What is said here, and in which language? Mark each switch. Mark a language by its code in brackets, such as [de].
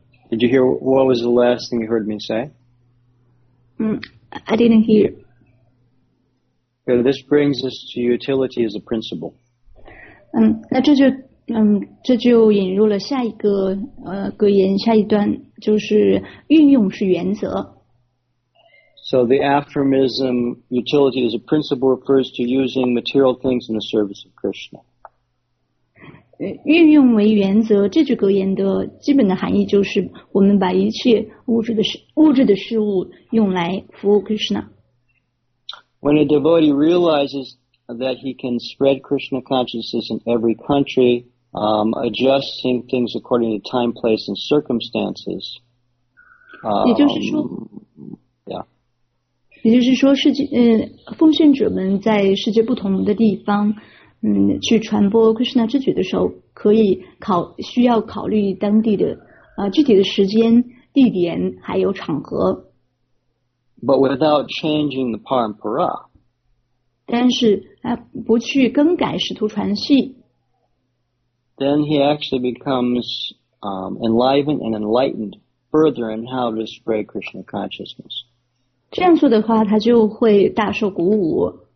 [en] Did you hear what was the last thing you heard me say? I didn't hear. So this brings us to utility as a principle. [zh] 那这就这就引入了下一个格言下一段，就是运用是原则。 [en] So the aphorism utility as a principle refers to using material things in the service of Krishna. [zh] 运用为原则，这句格言的基本的含义就是我们把一切物质的事物用来服务 Krishna。 [en] When a devotee realizes that he can spread Krishna consciousness in every country, adjusting things according to time, place, and circumstances. [zh] 也就是说。 [en] Yeah. [zh] 也就是说世界奉献者们在世界不同的地方去传播 Krishna 之举的时候可以考需要考虑当地的具体的时间地点还有场合。 [en] But without changing the parampara. [zh] 但是不去更改使徒传系。 [en] Then he actually becomes enlivened and enlightened further in how to spread Krishna consciousness. [zh] 这样做的话他就会大受鼓舞。